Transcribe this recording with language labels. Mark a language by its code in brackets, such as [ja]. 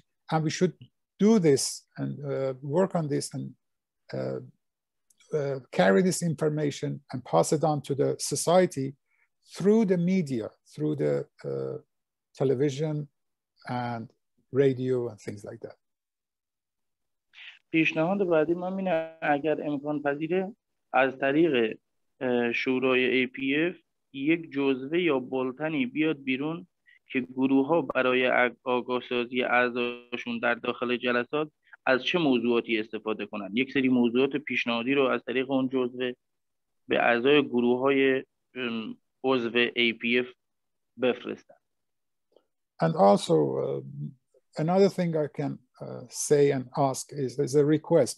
[en] And we should do this and work on this and carry this information and pass it on to the society through the media, through the television and radio and things like that. [fa] پیشنهاد بعدی من اینه اگر امکان پذیره از طریق شورای APF یک جزوه یا بولتنی بیاد بیرون که گروه ها برای آگاه سازی اعضاشون در داخل جلسات از چه موضوعاتی استفاده کنند. یک سری موضوعات پیشنهادی رو از طریق اون جزوه به اعضای گروه های عضو APF بفرستن. [en] And also another thing I can say and ask is there's a request.